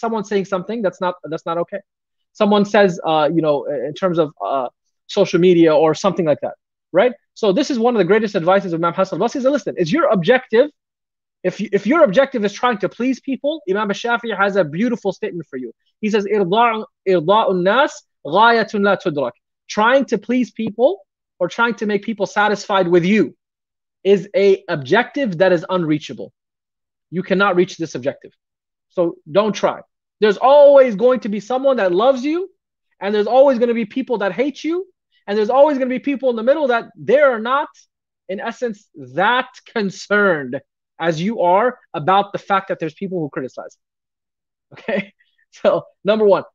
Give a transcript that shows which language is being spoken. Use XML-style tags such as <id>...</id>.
<en>Someone saying something that's not okay. Someone says, you know, in terms of social media or something like that, right? So this is one of the greatest advices of Imam Hasan al-Basri. Listen, is your objective, if your objective is trying to please people, Imam al-Shafi'i has a beautiful statement for you. He says,</en> <ar>إِرْضَاءُ النَّاسِ غَايَةٌ لَا تُدْرَكُ.</ar> <en>Trying to please people or trying to make people satisfied with you is a objective that is unreachable. You cannot reach this objective. So don't try. There's always going to be someone that loves you, and there's always going to be people that hate you, and there's always going to be people in the middle that they are not, in essence, that concerned as you are about the fact that there's people who criticize. Okay? So number one.</en>